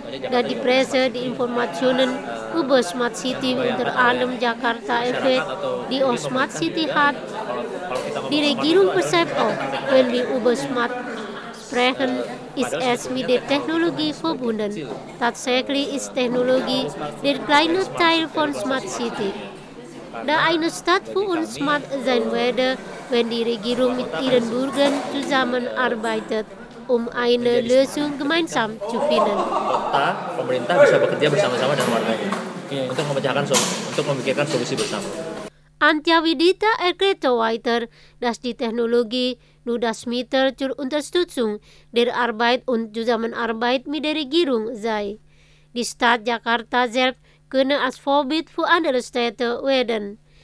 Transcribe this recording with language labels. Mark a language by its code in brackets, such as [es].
[de] Da die Presse die Informationen über Smart City unter anderem Jakarta erfährt, die auch Smart City hat, die Regierung persepsi auch, wenn wir über Smart sprechen, ist es mit der Technologie verbunden. Tatsächlich ist Technologie der kleine Teil von Smart City. Da eine Stadt für uns smart sein werde, wenn die Regierung mit ihren Bürgern zusammenarbeitet, um eine Lösung gemeinsam zu finden. [id] Kota, pemerintah bisa bekerja bersama-sama dengan warganya untuk memecahkan, untuk memikirkan solusi bersama. [de] Antja Widita erklärte weiter, dass die Technologie nur das Mittel zur Unterstützung der Arbeit und Zusammenarbeit mit der Regierung sei. Die Stadt Jakarta selbst könne als Vorbild für andere Städte werden.